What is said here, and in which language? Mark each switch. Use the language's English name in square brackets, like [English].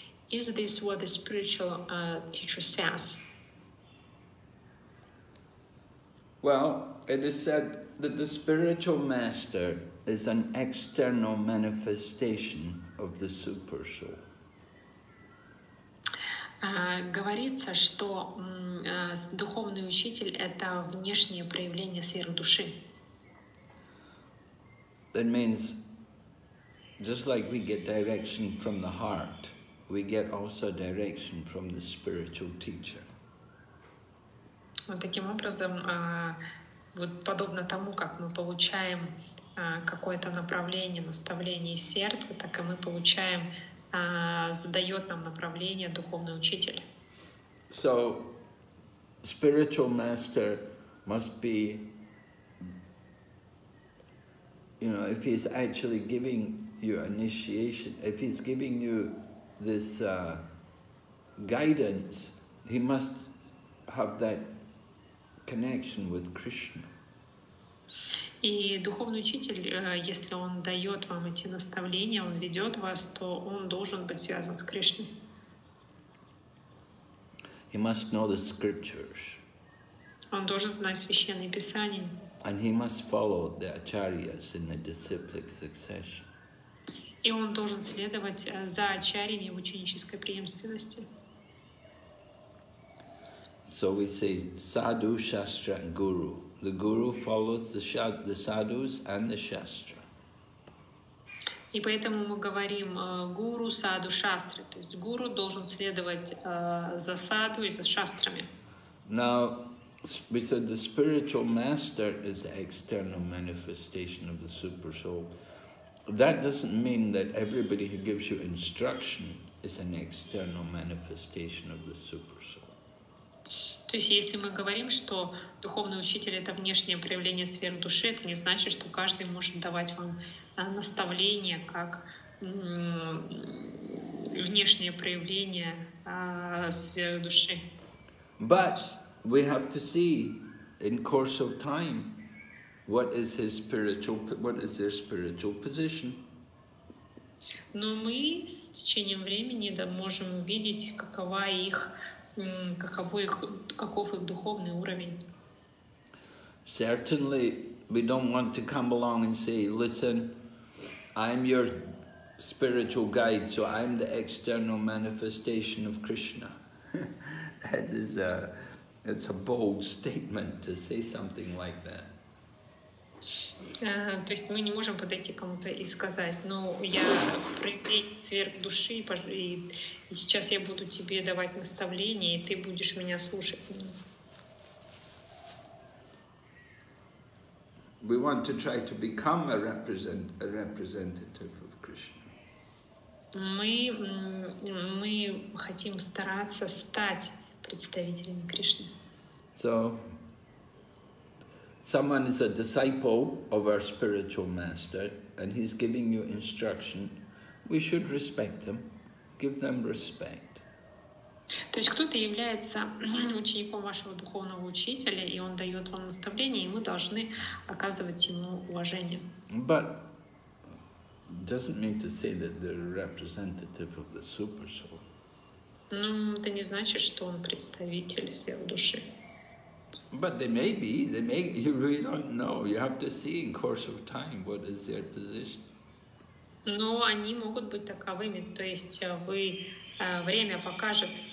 [English] Is this what the spiritual teacher says? Well, it is said that the spiritual master is an external manifestation of the super soul. [Russian] Говорится, что духовный учитель — это внешнее проявление сверхдуши. [English] That means, just like we get direction from the heart, we get also direction from the spiritual teacher. [Russian] Вот таким образом, вот подобно тому, как мы получаем какое-то направление, наставление из сердца, так и мы получаем, задает нам направление духовный учитель. [English] So, spiritual master must be, you know, if he's actually giving you initiation, if he's giving you this guidance, he must have that connection with Krishna. [Russian] И духовный учитель, если он дает вам эти наставления, он ведет вас, то он должен быть связан с Кришной. [English] He must know the scriptures. [Russian] Он должен знать священные писания. [English] And he must follow the acharyas in the disciplic succession. [Russian] И он должен следовать за ачарьями в ученической преемственности. [English] So we say sadhu, shastra, guru. The guru follows the sadhus and the shastra. [Russian] И поэтому мы говорим гуру, саду, шастры. То есть гуру должен следовать за саду и за шастрами. [English] Now, we said the spiritual master is the external manifestation of the super soul. That doesn't mean that everybody who gives you instruction is an external manifestation of the super soul. [Russian] То есть, если мы говорим, что духовный учитель — это внешнее проявление сверхдуши, это не значит, что каждый может давать вам наставление как внешнее проявление сверхдуши. [English] But we have to see in course of time what is his spiritual, what is their spiritual position. [Russian] Но мы с течением времени можем увидеть, какова их каков их духовный уровень. [English] Certainly, we don't want to come along and say, listen, I'm your spiritual guide, so I'm the external manifestation of Krishna. That is it's a bold statement to say something like that. [Russian] То есть мы не можем подойти к кому-то и сказать, ну, я проявление сверхдуши, и сейчас я буду тебе давать наставления, и ты будешь меня слушать. [English] We want to try to become a representative of Krishna. [Russian] Мы хотим стараться стать представителями Кришны. [English] So, someone is a disciple of our spiritual master and he's giving you instruction, we should respect them, give them respect. [Russian] То есть кто-то является учеником вашего духовного учителя, и он дает вам наставление, и мы должны оказывать ему уважение. [English] But doesn't mean to say that they're representative of the super soul. [Russian] Ну, это не значит, что он представитель сверхдуши. [English] But they may be, they may, you really don't know. You have to see in course of time what is their position. [Russian] Но они могут быть таковыми, то есть вы время покажет.